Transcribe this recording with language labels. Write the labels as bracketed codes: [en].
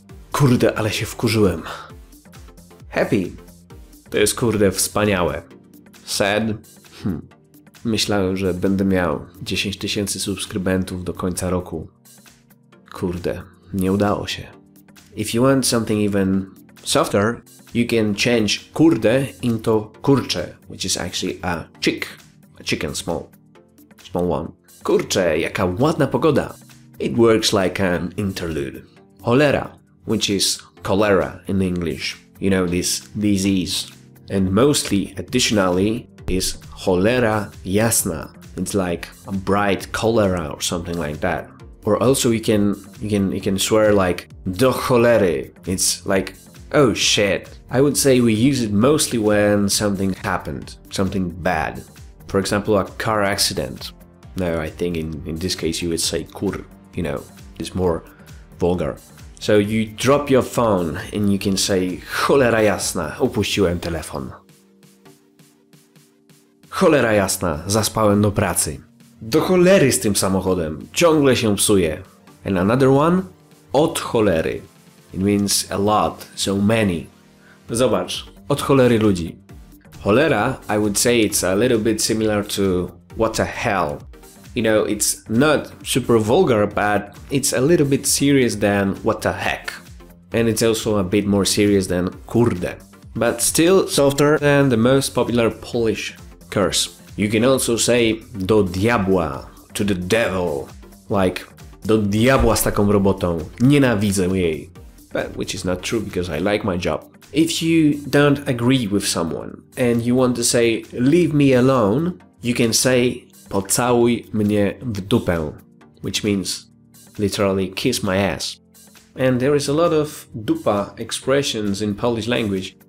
[pl] Kurde, ale się wkurzyłem. [en] Happy? [pl] To jest kurde wspaniałe. [en] Sad? [pl] Myślałem, że będę miał 10 tysięcy subskrybentów do końca roku. Kurde, nie udało się. [en] If you want something even softer, you can change kurde into kurcze, which is actually a chick, a chicken small, small one. [pl] Kurcze, jaka ładna pogoda. [en] It works like an interlude. Cholera, which is cholera in English. You know, this disease. And mostly, additionally, is cholera jasna. It's like a bright cholera or something like that. Or also you can swear like do cholery. It's like, oh shit. I would say we use it mostly when something happened, something bad. For example, a car accident. No, I think in this case you would say kur, you know, it's more vulgar. So you drop your phone and you can say [pl] cholera jasna, opuściłem telefon. Cholera jasna, zaspałem do pracy. Do cholery z tym samochodem, ciągle się psuje. [en] And another one, od cholery. It means a lot, so many. [pl] Zobacz, od cholery ludzi. [en] Cholera, I would say it's a little bit similar to what the hell. You know, it's not super vulgar, but it's a little bit serious than what the heck. And it's also a bit more serious than kurde. But still softer than the most popular Polish curse. You can also say do diabła, to the devil. [pl] Like, do diabła z taką robotą, nienawidzę jej. [en] But, which is not true because I like my job. If you don't agree with someone and you want to say leave me alone, you can say [pl] pocałuj mnie w dupę, [en] which means literally kiss my ass. And there is a lot of dupa expressions in Polish language.